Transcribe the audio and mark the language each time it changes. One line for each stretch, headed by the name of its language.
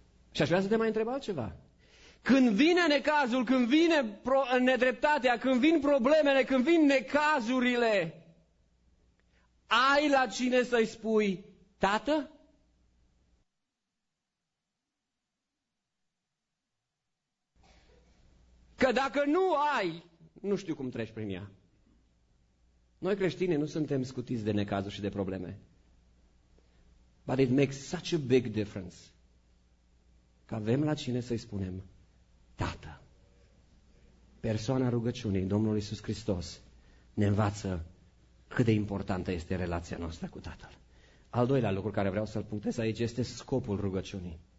Romanian: Și aș vrea să te mai întreb altceva. Când vine necazul, când vine nedreptatea, când vin problemele, când vin necazurile, ai la cine să-i spui, Tată? Că dacă nu ai, nu știu cum treci prin ea. Noi creștini nu suntem scutiți de necazuri și de probleme.
English: But it makes such a big difference.
Romanian: Că avem la cine să-i spunem, Tată, persoana rugăciunii, Domnul Iisus Hristos, ne învață cât de importantă este relația noastră cu Tatăl. Al doilea lucru care vreau să-l punctez aici este scopul rugăciunii.